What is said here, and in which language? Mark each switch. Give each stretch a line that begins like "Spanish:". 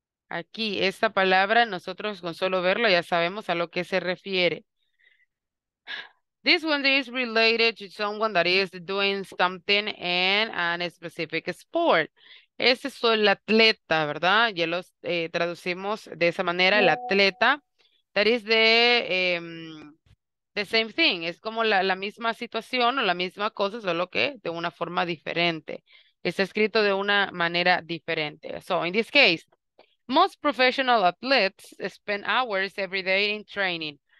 Spanish: Aquí, esta palabra, nosotros con solo verlo ya sabemos a lo que se refiere.
English: This one is related to someone that is doing something in a specific sport.
Spanish: Ese es el atleta, ¿verdad? Ya los traducimos de esa manera, el atleta.
English: That is the same thing.
Spanish: Es como la misma situación o la misma cosa, solo que de una forma diferente. Está escrito de una manera diferente.
English: So, in this case, most professional athletes spend hours every day in training.